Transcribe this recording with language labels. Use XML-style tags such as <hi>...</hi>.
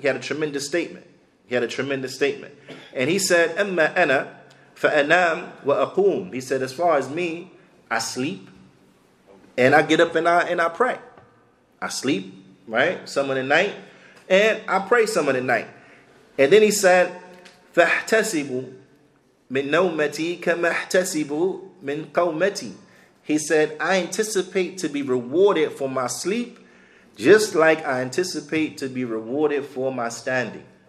<en>He had a tremendous statement. And he said,</en> <ar>"Amma ana fa'anam wa aqoom."</ar> <en>He said, as far as me, I sleep, and I get up and I pray. I sleep, right, some of the night, and I pray some of the night. And then he said,</en> <ar>فَاحْتَسِبُ مِن نَوْمَتِي كَمَحْتَسِبُ مِن قَوْمَتِي.</ar> <en>He said, I anticipate to be rewarded for my sleep, just like I anticipate to be rewarded for my standing.</en>